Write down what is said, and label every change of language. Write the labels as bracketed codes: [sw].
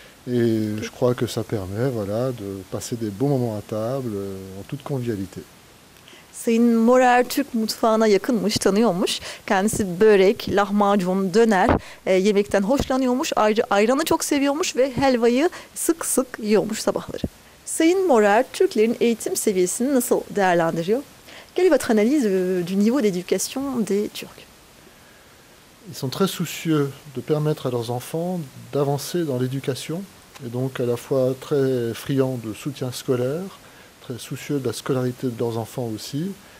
[fr] Et je crois que ça permet, voilà, de passer des bons moments à table en toute convivialité. [tr] Sayın Moer Türk mutfağına yakınmış, tanıyormuş. Kendisi börek, lahmacun, döner yemekten hoşlanıyormuş. Ayrıca ayranı çok seviyormuş ve helvayı sık sık yiyormuş sabahları. Sayın Moer, Türklerin eğitim seviyesini nasıl değerlendiriyor? [fr] Quelle est votre analyse du niveau d'éducation des Turcs? Ils sont très soucieux de permettre à leurs enfants d'avancer dans l'éducation et donc à la fois très friands de soutien scolaire, très soucieux de la scolarité de leurs enfants aussi.